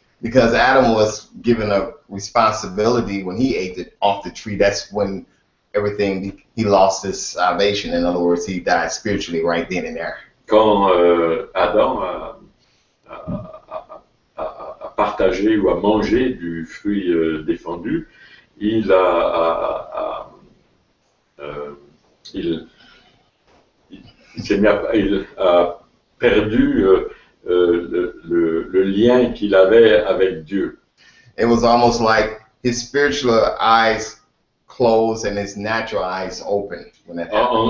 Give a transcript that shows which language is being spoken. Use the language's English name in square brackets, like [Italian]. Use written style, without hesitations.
[English] Because Adam was given a responsibility when he ate it off the tree, that's when everything, he lost his salvation. In other words, he died spiritually right then and there. [French] Quand Adam a partagé ou a mangé du fruit défendu, il a perdu le lien qu'il avait avec Dieu. [English] It was almost like his spiritual eyes closed and his natural eyes opened when that happened.